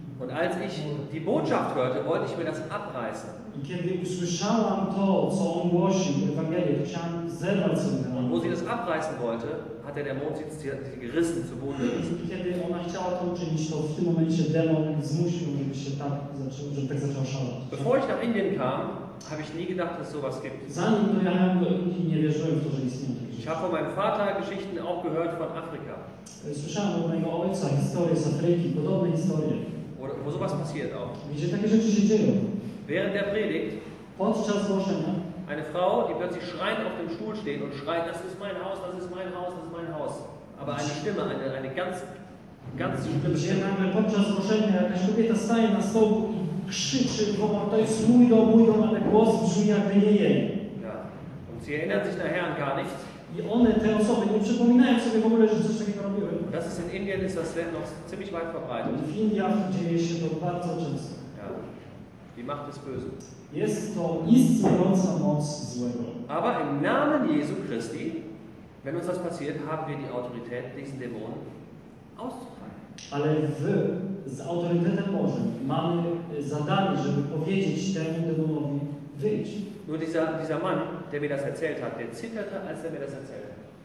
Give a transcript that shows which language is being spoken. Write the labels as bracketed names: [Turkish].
[German] Und als ich die Botschaft hörte, wollte ich mir das abreißen. [Polish] I kiedy usłyszałam to, co on głosił, Ewangelię, to chciałam zerwać sobie ten amulet. [German] Wo sie das abreißen wollte, hat der Dämon sie gerissen zu Boden. [Polish] I kiedy ona chciała to uczynić, to w tym momencie demon zmusił, żeby się tak zaczął, że tak zaczął szaleć. [German] Bevor ich nach Indien kam, habe ich nie gedacht, dass sowas gibt. [Polish] Zanim dojechałem do Indii, nie wierzyłem w to, że istnieje. [German] Ich habe von meinem Vater Geschichten auch gehört von Afrika. [Polish] Słyszałem od mojego ojca historie z Afryki, podobne historie. [German] Wo sowas passiert auch. [Polish] Gdzie takie rzeczy się dzieją. [German] Während der Predigt, [Polish] podczas głoszenia, [German] eine Frau, die plötzlich schreit auf dem Stuhl steht und schreit, das ist mein Haus, das ist mein Haus, das ist mein Haus. Aber eine Stimme, eine ganz stimme. [Polish] Gdzie nagle podczas głoszenia jakaś kobieta staje na stołu i krzyczy, bo to jest mój dom, ale głos brzmi jakby nie jej. [German] Ja. Sie erinnern sich nachher an gar nichts. [Polish] I one, te osoby, nie przypominają sobie w ogóle, że coś takiego robiłem. [German] Das ist in Indien, ist das noch ziemlich weit verbreitet. [Polish] W Indiach dzieje się to bardzo często. [German] Ja. Die Macht des Bösen. [Polish] Jest to istniejąca moc złego. [German] Aber im Namen Jesu Christi, wenn uns das passiert, haben wir die Autorität, diesen Dämon auszutreiben. [Polish] Ale z autorytetem Bożym mamy zadanie, żeby powiedzieć temu demonowi, wyjdź. [German] Nur dieser Mann, der mir das erzählt hat, der zitterte, als er mir das erzählte.